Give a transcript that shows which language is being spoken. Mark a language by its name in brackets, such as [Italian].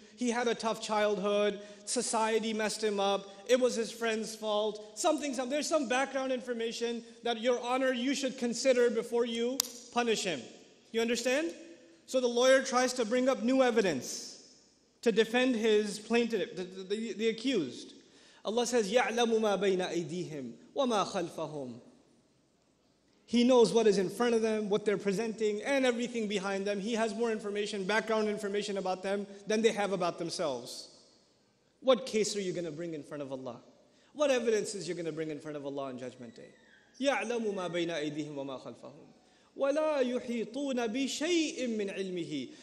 [English] He had a tough childhood, society messed him up, it was his friend's fault, something. There's some background information that, Your Honor, you should consider before you punish him. You understand? So the lawyer tries to bring up new evidence to defend his plaintiff, the accused. Allah says, [Arabic] يَعْلَمُ مَا بَيْنَ أَيْدِيهِمْ وَمَا خَلْفَهُمْ. [English] He knows what is in front of them, what they're presenting, and everything behind them. He has more information, background information about them than they have about themselves. What case are you going to bring in front of Allah? What evidence is you going to bring in front of Allah on Judgment Day? [Arabic] يَعْلَمُ مَا بَيْنَ أَيْدِيهِمْ وَمَا خَلْفَهُمْ. وَلَا يُحِيطُونَ بِشَيْءٍ مِّنْ عِلْمِهِ.